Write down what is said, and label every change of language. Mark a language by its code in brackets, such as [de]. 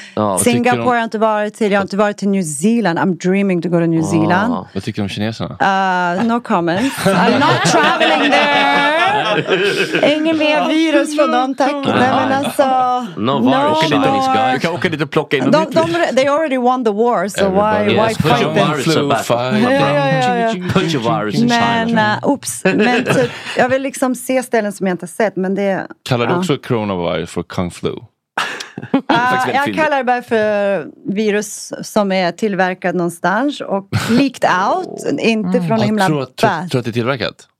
[sv] Ja, Singapore har jag inte varit till. Jag har inte varit till New Zealand. [en] I'm dreaming to go to New Zealand. [sv] Vad tycker du om kineserna? [en] No comments. I'm not traveling there. [sv] Ingen mer virus från dem, tack. Nej, men alltså, [en] no virus. [sv] Du kan åka dit och plocka in [en] they already won the war, so why fight them? Put your virus in China. [sv] Men typ, jag vill liksom se ställen som jag inte sett, men det... Kallar du också coronavirus för kung flu? Jag kallar det bara för virus som är tillverkad någonstans och [en] leaked out, [sv] inte från himla bad. Tror att det är tillverkat?